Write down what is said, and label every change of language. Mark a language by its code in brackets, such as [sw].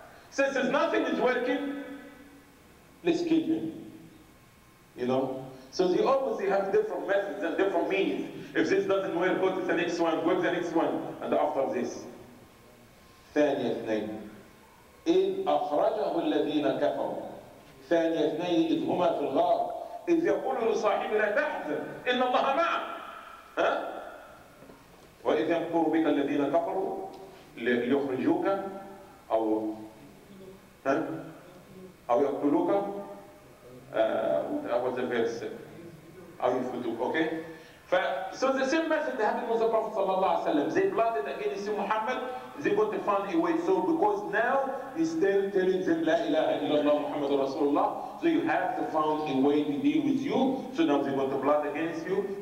[en] Since there's nothing is working, let's kill him. You know? So they always have different methods and different means. If this doesn't work, go to the next one, go to the next one. And after this, [ar] ثانية اثنين. إذ أخرجه الذين كفروا. ثانية اثنين إذ هما في الغار. إذ يقول لصاحبه لا تحزن إن الله معك. ها؟ وإذ يمكر بك الذين كفروا ليخرجوك أو ها؟ أو يقتلوك. [en] That was the verse. [ar] أو يفوتوك، أوكي؟ [en] So the same message that happened with the Prophet صلى الله عليه وسلم. They plotted against Muhammad. They got to find a way. So because now he's still telling them [ar] لا إله إلا الله محمد رسول الله. [en] So you have to find a way to deal with you. So now they got to plot against you.